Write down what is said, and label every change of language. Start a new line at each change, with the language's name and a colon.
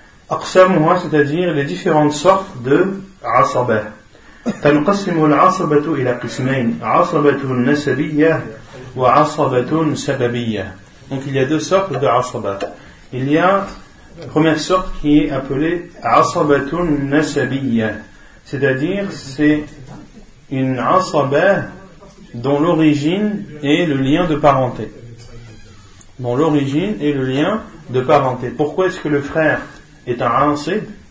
French: Aqsamuha, c'est-à-dire les différentes sortes de asaba.
Arabic: تنقسم العصبة إلى قسمين عصبة نسبية وعصبة سببية.
French: Donc il y a deux sortes de asaba. Il y a la première sorte qui est appelée عصبة نسبية, c'est-à-dire c'est une asaba dont l'origine est le lien de parenté. Dont l'origine est le lien de parenté. Pourquoi est-ce que le frère est un ansib?